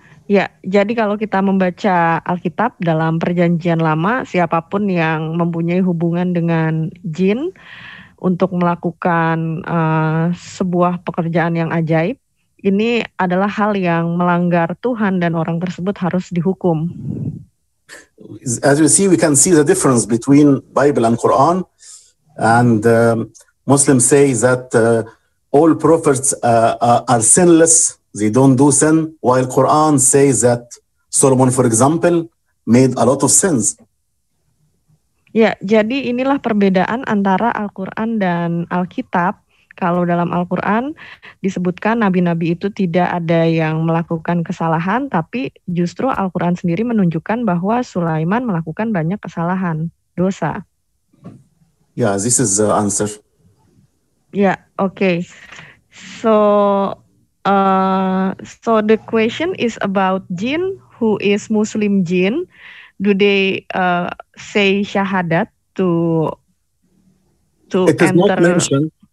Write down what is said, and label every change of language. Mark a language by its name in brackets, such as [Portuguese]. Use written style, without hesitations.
[Indonesian] Ya, jadi kalau kita membaca Alkitab dalam Perjanjian Lama, siapapun yang mempunyai hubungan dengan jin untuk melakukan sebuah pekerjaan yang ajaib, ini adalah hal yang melanggar Tuhan, dan orang tersebut harus dihukum. [English] As you see, we can see the difference between Bible and Quran, and Muslims say that all prophets are sinless, they don't do sin, while Quran says that Solomon, for example, made a lot of sins. [Indonesian] Ya, jadi inilah perbedaan antara Al-Quran dan Alkitab. Kalau dalam Al-Quran disebutkan nabi-nabi itu tidak ada yang melakukan kesalahan, tapi justru Al-Quran sendiri menunjukkan bahwa Sulaiman melakukan banyak kesalahan, dosa. [English] Ya, yeah, this is the answer. Ya, yeah, okay. So the question is about jinn, who is Muslim jinn. Do they say shahadat to it is enter? Not mentioned.